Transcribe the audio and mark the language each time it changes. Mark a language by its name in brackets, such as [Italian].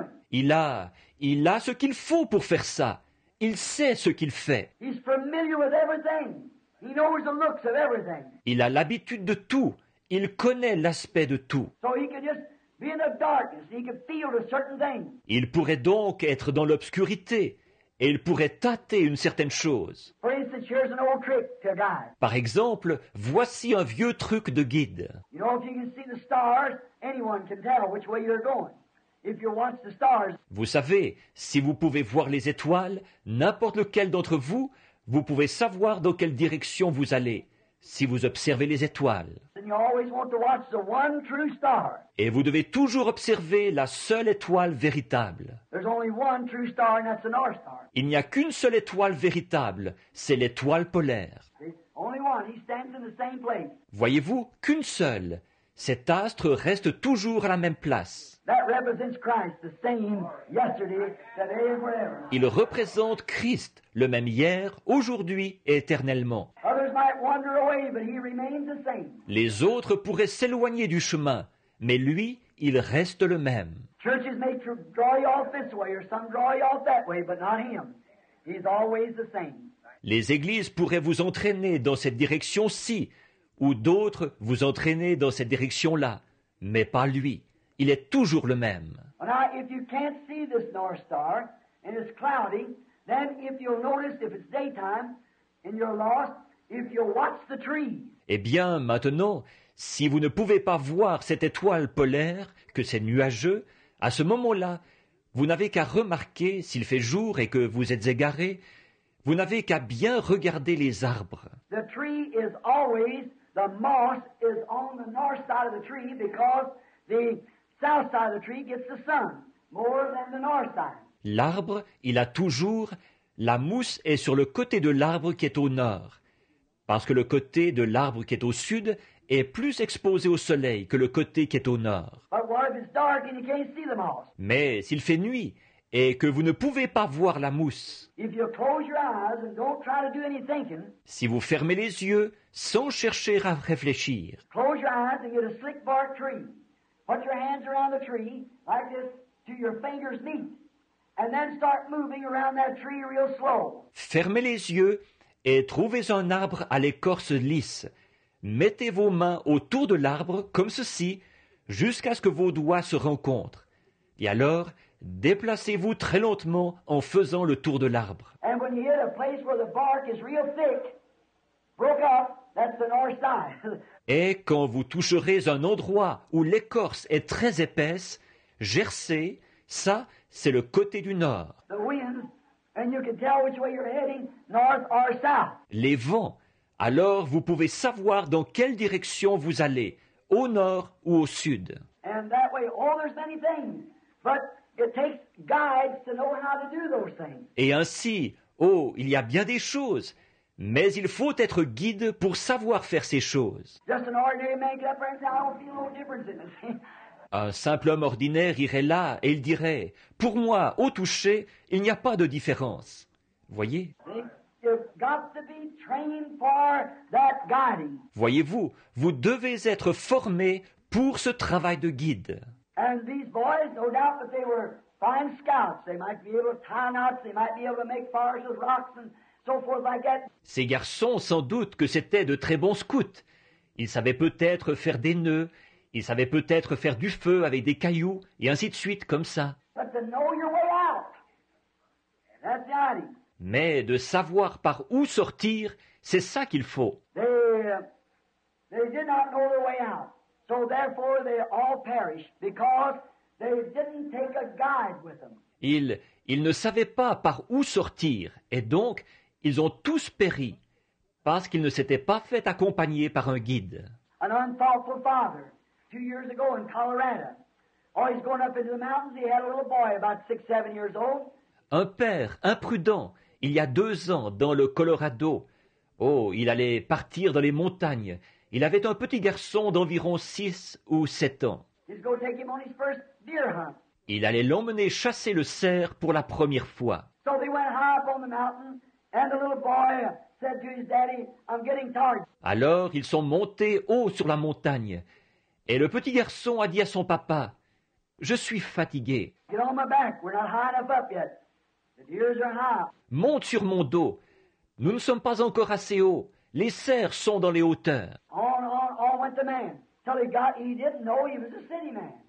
[French] Il a ce qu'il faut pour faire ça. Il sait ce qu'il fait. [English] He's familiar with everything. He knows the looks of everything. [French] Il a l'habitude de tout. Il connaît l'aspect de tout. [English] So he can just be in the darkness. He can feel a certain thing. [French] Il pourrait donc être dans l'obscurité. Et il pourrait tâter une certaine chose. [English] For instance, here's an old trick to a guide. [French] Par exemple, voici un vieux truc de guide. [English] You know, if you can see the stars, anyone can tell which way you're going. If you watch the stars. [French] Vous savez, si vous pouvez voir les étoiles, n'importe lequel d'entre vous, vous pouvez savoir dans quelle direction vous allez si vous observez les étoiles. [English] And you always want to watch the one true star. [French] Et vous devez toujours observer la seule étoile véritable. [English] There's only one true star, and that's the North Star. [French] Il n'y a qu'une seule étoile véritable, c'est l'étoile polaire. [English] Only one. He stands in the same place. [French] Voyez-vous, qu'une seule. Cet astre reste toujours à la même place. [English] That represents Christ, the same yesterday, today, and forever. [French] Il représente Christ, le même hier, aujourd'hui et éternellement. [English] Others might wander away, but he remains the same. [French] Les autres pourraient s'éloigner du chemin, mais lui, il reste le même. [English] Churches may draw you off this way or some draw you off that way, but not him. He's always the same. [French] Les églises pourraient vous entraîner dans cette direction-ci, ou d'autres vous entraîner dans cette direction-là, mais pas lui. Il est toujours le même. [English] Now, if you can't see this North Star and it's cloudy, then if you'll notice if it's daytime and you're lost, if you'll watch the trees. [French] Eh bien, maintenant, si vous ne pouvez pas voir cette étoile polaire, que c'est nuageux, à ce moment-là, vous n'avez qu'à remarquer s'il fait jour et que vous êtes égaré, vous n'avez qu'à bien regarder les arbres. [English] The tree is always the moss is on the north side of the tree because the south side of the tree gets the sun more than the north side. [French] L'arbre, il a toujours la mousse est sur le côté de l'arbre qui est au nord parce que le côté de l'arbre qui est au sud est plus exposé au soleil que le côté qui est au nord. [English] But what if it's dark and you can't see the moss? [French] Mais s'il fait nuit et que vous ne pouvez pas voir la mousse. [English] If you close your eyes and don't try to do any thinking. [French] Si vous fermez les yeux sans chercher à réfléchir. [English] Close your eyes and get a slick bark tree. Put your hands around the tree like this to your fingers meet. And then start moving around that tree real slow. [French] Fermez les yeux et trouvez un arbre à l'écorce lisse. Mettez vos mains autour de l'arbre comme ceci jusqu'à ce que vos doigts se rencontrent. Et alors, déplacez-vous très lentement en faisant le tour de l'arbre. [English] And when you hit a place where the bark is real thick, broke up, that's the north side. [French] Et quand vous toucherez un endroit où l'écorce est très épaisse, gercée, ça, c'est le côté du nord. [English] The wind, and you can tell which way you're heading, north or south. [French] Les vents, alors vous pouvez savoir dans quelle direction vous allez, au nord ou au sud. [English] And that way, oh, there's many things, but it takes guides to know how to do those things. [French] Et ainsi, oh, il y a bien des choses, mais il faut être guide pour savoir faire ces choses. [English] Just an ordinary man get up and say, I don't feel no difference in it. [French] Un simple homme ordinaire irait là et il dirait, pour moi, au toucher, il n'y a pas de différence. Voyez? [English] You've got to be trained for that guiding. [French] Voyez-vous, vous devez être formé pour ce travail de guide. [English] And these boys, no doubt that they were fine scouts. They might be able to tie knots, they might be able to make fires with rocks and so forth like that. [French] Ces garçons, sans doute que c'était de très bons scouts. Ils savaient peut-être faire des nœuds, ils savaient peut-être faire du feu avec des cailloux, et ainsi de suite, comme ça. [English] But to know your way out, that's the idea. [French] mais de savoir par où sortir, c'est ça qu'il faut. [English] They did not know the way out. So therefore they all perished because they didn't take a guide with them. [French] Ils ne savaient pas par où sortir, et donc ils ont tous péri parce qu'ils ne s'étaient pas fait accompagner par un guide. [English] An unthoughtful father, 2 years ago in Colorado. Oh, he's going up into the mountains. He had a little boy about 6-7 years old. [French] Un père imprudent, il y a 2 ans dans le Colorado. Oh, il allait partir dans les montagnes. Il avait un petit garçon d'environ 6 ou 7 ans. [English] He's going to take him on his first deer hunt. [French] Il allait l'emmener chasser le cerf pour la première fois. [English] So they went high up on the mountain, and the little boy said to his daddy, "I'm getting tired." [French] Alors ils sont montés haut sur la montagne, et le petit garçon a dit à son papa, "Je suis fatigué." [English] Get on my back. We're not high enough up yet. The deers are high. [French] Monte sur mon dos. Nous ne sommes pas encore assez haut. Les cerfs sont dans les hauteurs. [English] On went the man. Till he didn't know he was a city man.